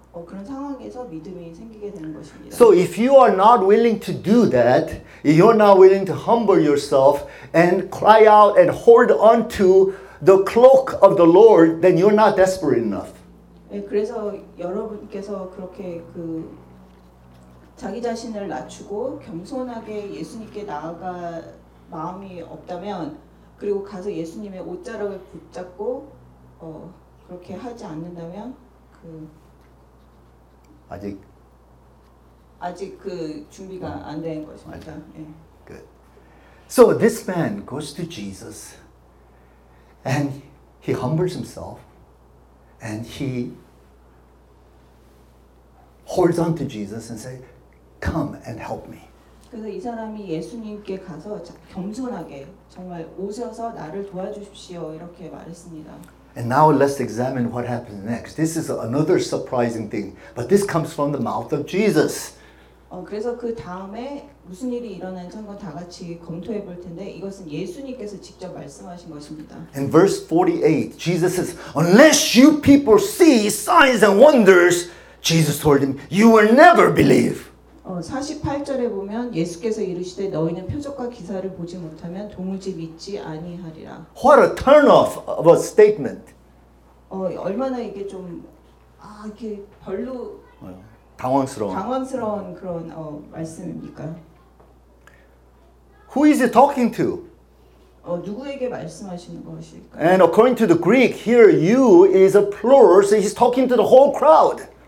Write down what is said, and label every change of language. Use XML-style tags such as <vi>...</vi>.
<ko>그런 상황에서 믿음이 생기게 되는 것입니다.</ko> <en>So if you are not willing to do that, if you're not willing to humble yourself and cry out and hold on to the cloak of the Lord, then you're not desperate enough.</en> <ko>예, 그래서 여러분께서 그렇게 그 자기 자신을 낮추고 겸손하게 예수님께 나아갈 마음이 없다면 그리고 가서 예수님의 옷자락을 붙잡고 그렇게 하지 않는다면 그 아직 그 준비가 안 된 것입니다. 예.</ko> <en>Good. So this man goes to Jesus and he humbles himself and he holds on to Jesus and say, "Come and help me."</en> <ko>그래서 이 사람이 예수님께 가서 겸손하게 정말 오셔서 나를 도와주십시오 이렇게 말했습니다.</ko> <en>And now let's examine what happens next. This is another surprising thing, but this comes from the mouth of Jesus.</en> <ko>그래서 그 다음에 무슨 일이 일어난지 한번 다 같이 검토해 볼 텐데 이것은 예수님께서 직접 말씀하신 것입니다.</ko> <en>In verse 48, Jesus says, "Unless you people see signs and wonders," Jesus told him, "you will never believe."</en> <ko>48절에 보면 예수께서 이르시되 너희는 표적과 기사를 보지 못하면 도무지 믿지 아니하리라.</ko> <en>What a turn off of a statement.</en> <ko>얼마나 이게 좀 이게 별로 당황스러운 그런 말씀입니까?</ko> <en>Who is he talking to?</en> <ko>누구에게 말씀하시는 것일까요?</ko> <en>And according to the Greek, here "you" is a plural, so he's talking to the whole crowd.</en>